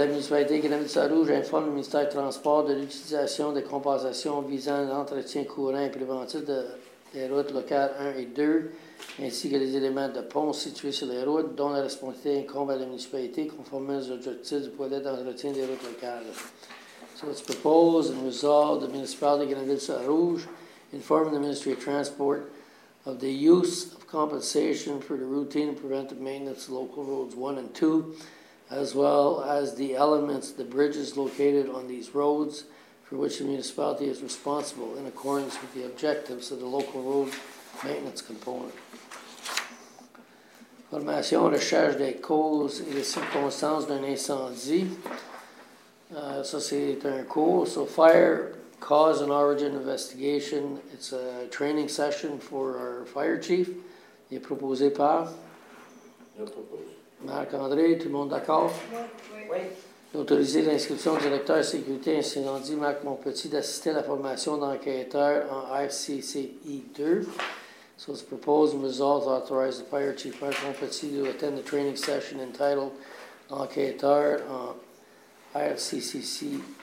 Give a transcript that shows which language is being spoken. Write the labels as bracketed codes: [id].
[fr] La municipalité de Granville-Saint-Rouge informe le ministère des Transports de l'utilisation des compensations visant l'entretien courant et préventif des routes locales 1 et 2, ainsi que les éléments de pont situés sur les routes, dont la responsabilité incombe à la municipalité, conformément aux objectifs du projet d'entretien des routes locales. [en] So it's proposed and resolved the municipality of Granville-Saint-Rouge informing the Ministry of Transport of the use of compensation for the routine and preventive maintenance of local roads 1 and 2, as well as the elements, the bridges located on these roads for which the municipality is responsible in accordance with the objectives of the local road maintenance component. [fr] Formation, recherche des causes et des circonstances d'un incendie. [en] So [fr] c'est un cours. [en] So fire cause and origin investigation. It's a training session for our fire chief. [fr] Il est proposé par. Je propose. Marc-André, tout le monde d'accord? Oui. D'autoriser l'inscription du directeur de sécurité incendie Marc Montpetit d'assister à la formation d'enquêteur en FCCI2. [en] So it's proposed and resolved to authorize the fire chief Marc Montpetit to attend the training session entitled Enquêteur en IFCCI2.